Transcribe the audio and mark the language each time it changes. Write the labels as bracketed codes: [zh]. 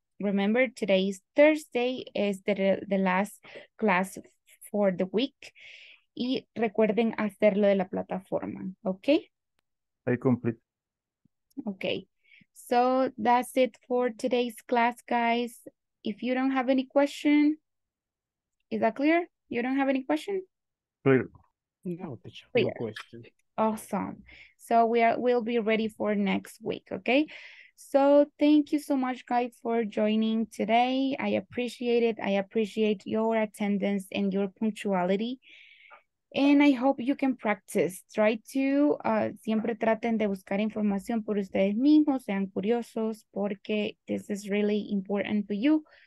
[en] Remember, today is Thursday, is the last class for the week. [es] Y recuerden hacer lo de la plataforma, okay? [en] I complete. Okay, so that's it for today's class, guys. If you don't have any question, is that clear? You don't have any question? Clear. No question. Awesome. So we'll be ready for next week, okay? So thank you so much, guys, for joining today. I appreciate it. I appreciate your attendance and your punctuality. And I hope you can practice. Try to, [es] siempre traten de buscar información por ustedes mismos. Sean curiosos porque [en] this is really important for you.